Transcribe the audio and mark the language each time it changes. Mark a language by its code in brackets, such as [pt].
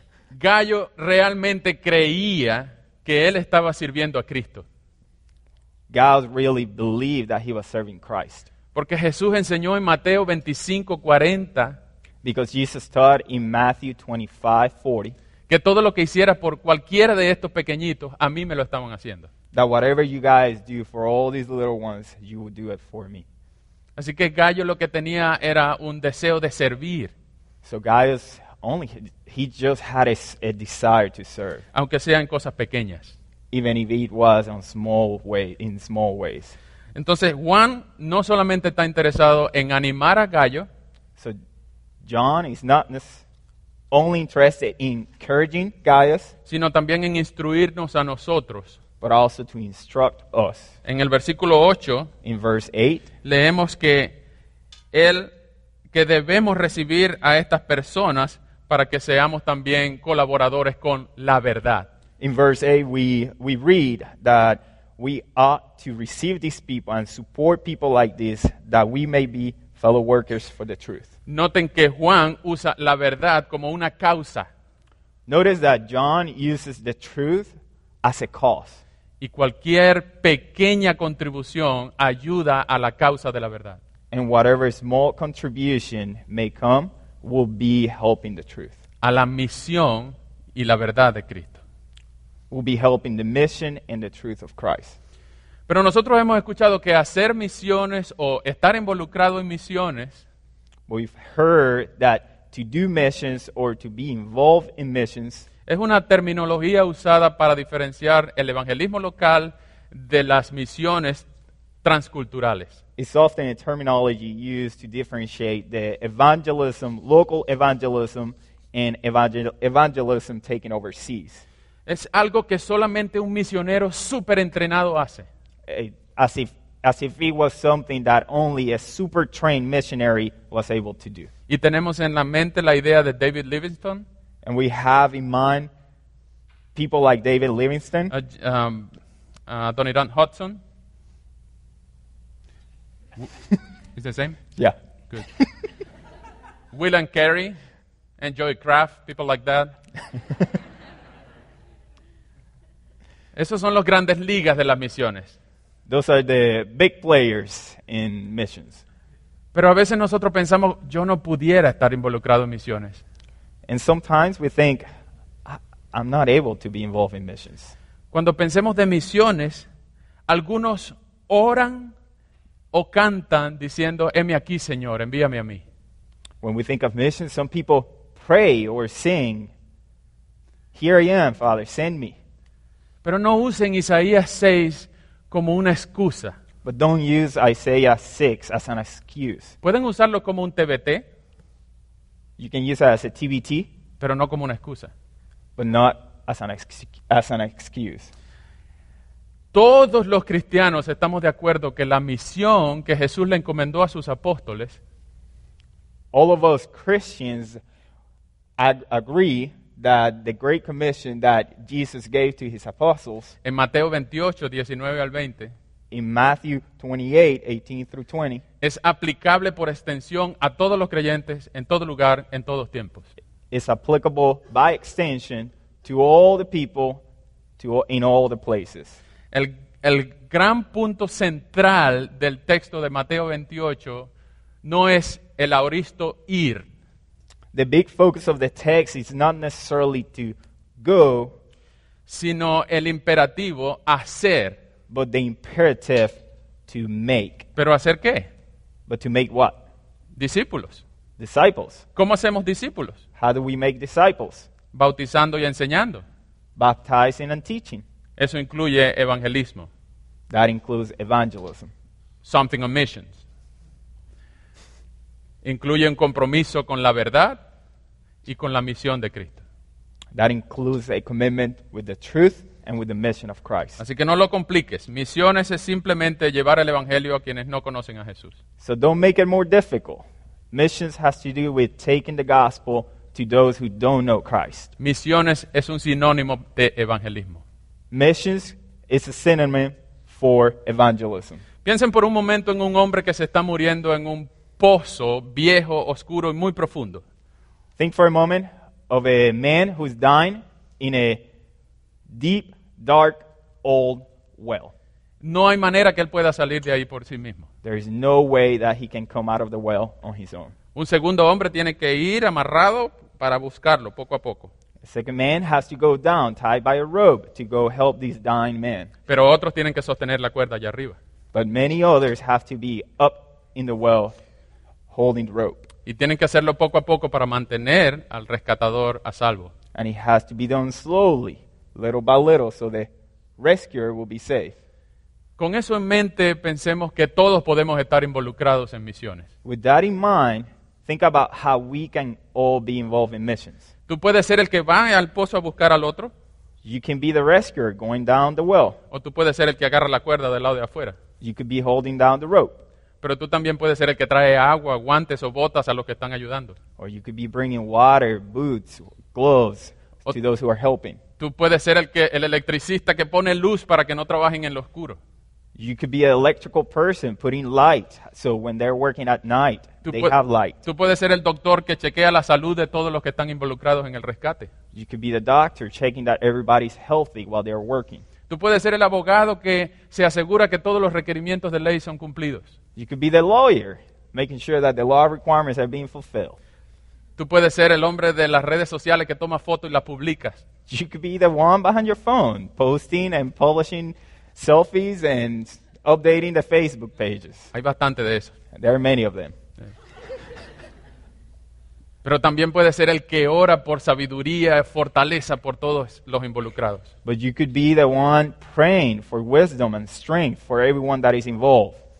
[es] Gallo realmente creía que él estaba sirviendo a Cristo. [en] Gallo really believed that he was serving Christ. [es] Porque Jesús enseñó en Mateo 25:40. [en] Because Jesus taught in Matthew 25:40. [es] Que todo lo que hiciera por cualquiera de estos pequeñitos, a mí me lo estaban haciendo. [en] That whatever you guys do for all these little ones, you will do it for me. [es] Así que Gallo lo que tenía era un deseo de servir. [en] So Gallo's only, he just had a desire to serve. [es] Aunque sean cosas pequeñas. [en] Even if it was in small ways. [es] Entonces Juan no solamente está interesado en animar a Gallo. [en] So John is not only interested in encouraging Gaius, [es] sino también en instruirnos a nosotros, [en] but also to instruct us. [es] En el versículo 8, [en] in verse 8, [es] leemos que debemos recibir a estas personas para que seamos también colaboradores con la verdad. [en] In verse 8, we read that we ought to receive these people and support people like this, that we may be fellow workers for the truth. [es] Noten que Juan usa la verdad como una causa. [en] Notice that John uses the truth as a cause. [es] Y cualquier pequeña contribución ayuda a la causa de la verdad. [en] And whatever small contribution may come will be helping the truth. [es] A la misión y la verdad de Cristo. [en] Will be helping the mission and the truth of Christ. [es] Pero nosotros hemos escuchado que hacer misiones o estar involucrado en misiones, [en] we've heard that to do missions or to be involved in missions, [es] es una terminología usada para diferenciar el evangelismo local de las misiones transculturales. [en] It's often a terminology used to differentiate the evangelism, local evangelism, and evangelism taken overseas. [es] Es algo que solamente un misionero super entrenado hace. [en] As if it was something that only a super trained missionary was able to do. [es] Y tenemos en la mente la idea de David Livingstone. [en] And we have in mind people like David Livingstone. Tony Dunn Hudson. Is the same? Yeah. Good. Will and Carrie and Joey Kraft, people like that. [es] Esos son los grandes ligas de las misiones. [en] Those are the big players in missions. [es] Pero a veces nosotros pensamos, yo no pudiera estar involucrado en misiones. [en] And sometimes we think, I'm not able to be involved in missions. [es] Cuando pensemos de misiones, algunos oran o cantan diciendo, heme aquí, Señor, envíame a mí. [en] When we think of missions, some people pray or sing, here I am, Father, send me. [es] Pero no usen Isaías 6 como una excusa. [en] But don't use Isaiah 6 as an excuse. [es] Pueden usarlo como un TBT. [en] You can use it as a TBT. [es] Pero no como una excusa. [en] But not as an excuse. [es] Todos los cristianos estamos de acuerdo que la misión que Jesús le encomendó a sus apóstoles. [en] All of us Christians agree that the great commission that Jesus gave to his apostles. [es] En Mateo 28, 19 al 20. [en] In Matthew 28, 18 through 20. [es] Es aplicable por extensión a todos los creyentes en todo lugar, en todos tiempos. [en] It's applicable by extension to all the people, to all, in all the places. [es] El gran punto central del texto de Mateo 28 no es el auristo ir. [en] The big focus of the text is not necessarily to go, [es] sino el imperativo hacer. [en] But the imperative to make. [es] ¿Pero hacer qué? [en] But to make what? [es] Discípulos. [en] Disciples. [es] ¿Cómo hacemos discípulos? [en] How do we make disciples? [es] Bautizando y enseñando. [en] Baptizing and teaching. [es] Eso incluye evangelismo. [en] That includes evangelism. Something on missions. [es] Incluye un compromiso con la verdad y con la misión de Cristo. [en] That includes a commitment with the truth and with the mission of Christ. [es] Así que no lo compliques. Misiones es simplemente llevar el evangelio a quienes no conocen a Jesús. [en] So don't make it more difficult. Missions has to do with taking the gospel to those who don't know Christ. [es] Misiones es un sinónimo de evangelismo. [en] Missions is a synonym for evangelism. [es] Piensen por un momento en un hombre que se está muriendo en un pozo viejo, oscuro y muy profundo. [en] Think for a moment of a man who's dying in a deep, dark, old well. [es] No hay manera que él pueda salir de ahí por sí mismo. [en] There is no way that he can come out of the well on his own. [es] Un segundo hombre tiene que ir amarrado para buscarlo poco a poco. [en] A second man has to go down, tied by a rope, to go help this dying man. [es] Pero otros tienen que sostener la cuerda allá arriba. [en] But many others have to be up in the well, holding the rope. [es] Y tienen que hacerlo poco a poco para mantener al rescatador a salvo. [en] And it has to be done slowly, little by little, so the rescuer will be safe. [es] Con eso en mente, pensemos que todos podemos estar involucrados en misiones. [en] With that in mind, think about how we can all be involved in missions. [es] Tú puedes ser el que va al pozo a buscar al otro. [en] You can be the rescuer going down the well. [es] O tú puedes ser el que agarra la cuerda del lado de afuera. [en] You could be holding down the rope. [es] Pero tú también puedes ser el que trae agua, guantes o botas a los que están ayudando. [en] Or you could be bringing water, boots, gloves to those who are helping. [es] Tú puedes ser el electricista que pone luz para que no trabajen en lo oscuro. [en] You could be an electrical person putting light so when they're working at night, they have light. [es] Tú puedes ser el doctor que chequea la salud de todos los que están involucrados en el rescate. [en] You could be the doctor checking that everybody's healthy while they're working. [es] Tú puedes ser el abogado que se asegura que todos los requerimientos de ley son cumplidos. [en] You could be the lawyer making sure that the law requirements are being fulfilled. [es] Tú puedes ser el hombre de las redes sociales que toma fotos y las publicas. [en] You could be the one behind your phone posting and publishing selfies and updating the Facebook pages. [es] Hay bastante de eso. [en] There are many of them. [es] Pero también puede ser el que ora por sabiduría, fortaleza por todos los involucrados. [en] But you could be the one praying for wisdom and strength for everyone that is involved.